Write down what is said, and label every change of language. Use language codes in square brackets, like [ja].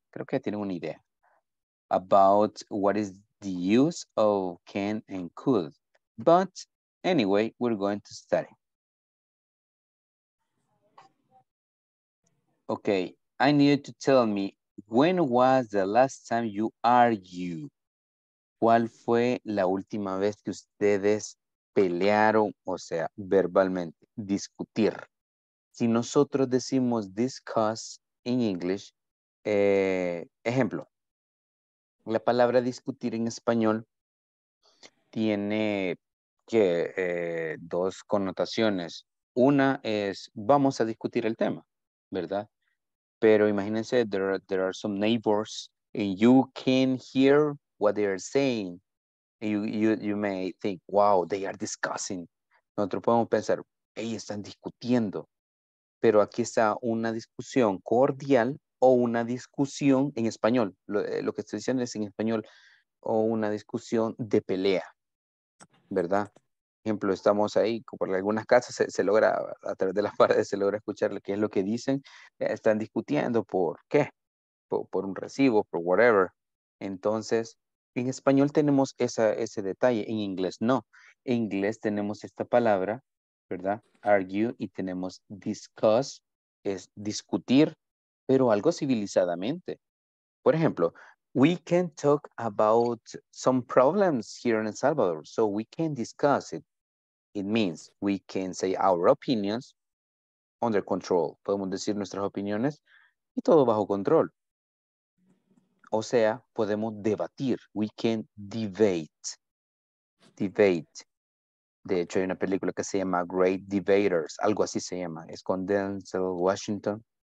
[es] Creo que tienen una idea [en] about what is the use of can and could. But anyway, we're going to study. Okay, I need to tell me, when was the last time you argued? [es] ¿Cuál fue la última vez que ustedes pelearon, o sea, verbalmente, discutir? Si nosotros decimos [en] discuss in English, [es] ejemplo, la palabra discutir en español tiene que dos connotaciones. Una es, vamos a discutir el tema, ¿verdad? Pero imagínense, [en] there are some neighbors and you can hear what they are saying. You may think, wow, they are discussing. [es] Nosotros podemos pensar, hey, están discutiendo. Pero aquí está una discusión cordial o una discusión en español. Lo que estoy diciendo es en español o una discusión de pelea, ¿verdad? ejemplo, estamos ahí, porque algunas casas se logra, a través de las paredes, se logra escuchar qué es lo que dicen. Están discutiendo por qué, por un recibo, por whatever. Entonces, en español tenemos ese detalle, en inglés no. En inglés tenemos esta palabra, ¿verdad? Argue, y tenemos discuss, es discutir, pero algo civilizadamente. Por ejemplo, [en] we can talk about some problems here in El Salvador, so we can discuss it. It means we can say our opinions under control. [es] Podemos decir nuestras opiniones y todo bajo control. O sea, podemos debatir. [en] We can debate. Debate. [es] De hecho, hay una película que se llama Great Debaters. Algo así se llama. Es con Denzel Washington.